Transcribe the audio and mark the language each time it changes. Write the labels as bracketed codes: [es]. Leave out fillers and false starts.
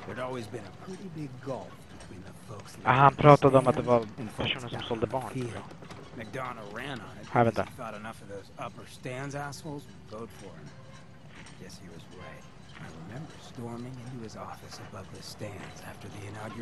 [en] There'd always been a pretty big gulf between the folks. [sv] Han pratade om att det var personer som sålde barn. [en] McDonough ran on it. [sv] Här, vänta. [en] Thought enough of those upper stands assholes vote for him. Guess he was right. I remember storming into his office above the stands after the inauguration.